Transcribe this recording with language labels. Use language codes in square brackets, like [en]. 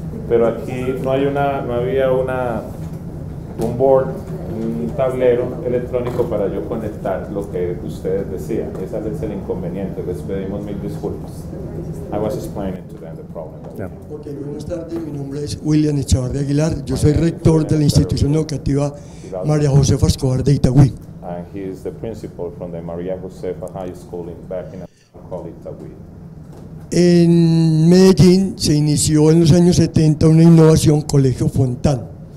[es] Pero aquí no había un board, un tablero electrónico para yo conectar lo que ustedes decían. Ese es el inconveniente. Les pedimos mil disculpas. [en] I was explaining to them the problem. [es] Yeah. Ok, buenas tardes. Mi nombre es William Echavarría Aguilar. Yo soy rector de la institución educativa María Josefa Escobar de Itagüí. [en] And he is the principal from the María Josefa High School in Itagüí. [es] En Medellín se inició en los años 70 una innovación Colegio Fontán.